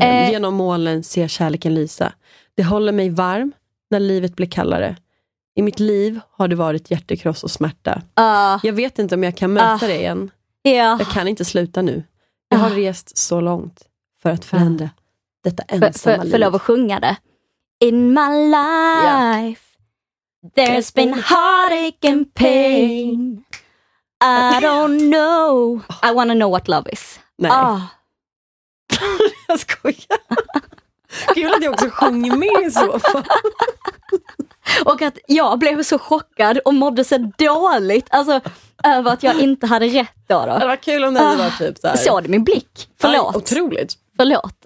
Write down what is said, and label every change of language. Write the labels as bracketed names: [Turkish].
[Swedish] Genom molnen ser kärleken lysa. Det håller mig varm när livet blir kallare. I mitt liv har det varit hjärtekross och smärta. Jag vet inte om jag kan möta det igen. Jag kan inte sluta nu. Jag har rest så långt för att förändra detta ensamma liv. För lov att sjunga det. [English] In my life, there's been heartache and pain. I don't know. I want to know what love is. [Swedish] Nej. Oh. Jag skojar. Kul att jag också sjöng med i så fall. Och att jag blev så chockad och mådde så dåligt. Alltså, över att jag inte hade rätt då. Det var kul om det var typ så här. Såg du min blick? Förlåt. Aj, otroligt. Förlåt.